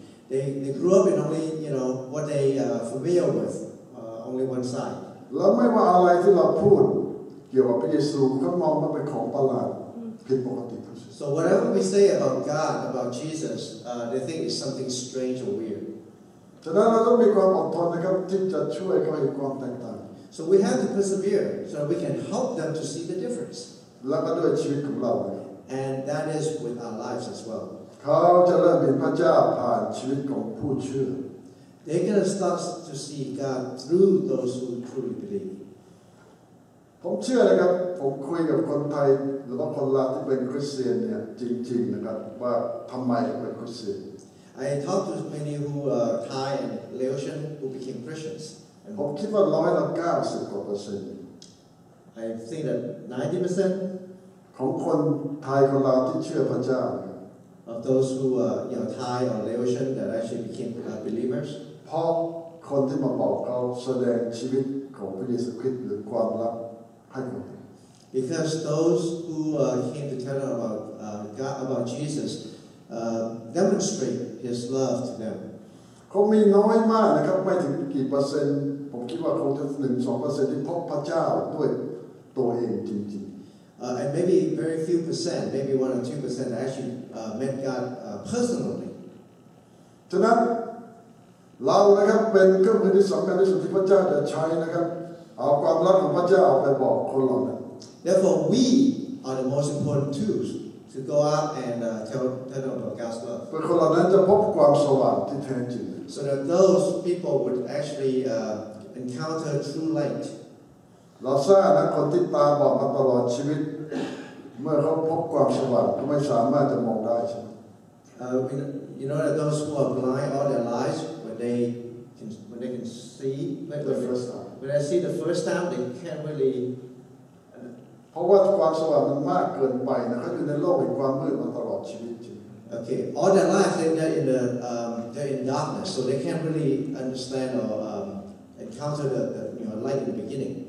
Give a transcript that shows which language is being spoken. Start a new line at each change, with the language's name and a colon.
English: They grew up in only you know what they familiar with, only one side.
Thai: แล้วไม่ว่าอะไรที่เราพูดเกี่ยวกับพระเยซูก็มองมันเป็นของประหลาดผิดปกติ
English: So whatever we say about God, about Jesus, they think it's something strange or weird.
Thai: ฉะนั้นเราต้องมีความอดทนนะครับที่จะช่วยเขาเห็นความแตกต่าง
English: So we have to persevere so we can help them to see the difference
Thai: แล้วก็ด้วยชีวิตของเรา
English: And that is with our lives as well
Thai: เขาจะเริ่มเห็นพระเจ้าผ่านชีวิตของผู้เชื่อ
English: They're gonna start to see God through those who truly believe
Thai: ผมเชื่อนะครับผมคุยกับคนไทยหรือว่าคนลาวที่เป็นคริสเตียนเนี่ยจริงๆนะครับว่าทำไมเป็นคริสเตียน
English: I talked to many who are Thai and Laotian who became Christians.
Thai: ผมคิดว่าร้อยละ90กว่าเปอร์เซ็นต์
English: I think that 90%
Thai: ของคนไทยของเราที่เชื่อพระเจ้า
English: of those who are you know Thai or Laotian that actually became believers
Thai: พอคนที่มาบอกเขาแสดงชีวิตของพระเยซูคริสต์หรือความรักให้คน
English: Because those who came to tell about God about Jesus demonstrate His love to them
Thai: คงมีน้อยมากนะครับไม่ถึงกี่เปอร์เซ็นต์ผมคิดว่าคงจะ 1-2% ที่พบพระเจ้าด้วยตัวเองจริงๆ
English: and maybe very few percent maybe 1-2% actually met God personally
Thai: ฉะนั้นเรานะครับเป็นเครื่องมือที่สำคัญที่สุดที่พระเจ้าจะใช้นะครับเอาความรักของพระเจ้าไปบอกคนเรานะ
English: therefore we are the most important tools to go out and tell about God's love
Thai: เพื่อคนเรานั้นจะพบความสว่างที่แท้จริง
English: so that those people would actually encounter true light
Thai: เราทราบนะคนที่ตาบอดมาตลอดชีวิตเมื่อเขาพบความสว่างก็ไม่สามารถจะมองได้ใช่ไหม
English: you know that those who are blind all their lives when they can see like the first time when they see the first time they can't really
Thai: เพราะว่าความสว่างมันมากเกินไปนะเขาอยู่ในโลกแห่งความมืดมาตลอดชีวิตจริง
English: okay all their lives they're in darkness so they can't really understand orencounter the you know light in the beginning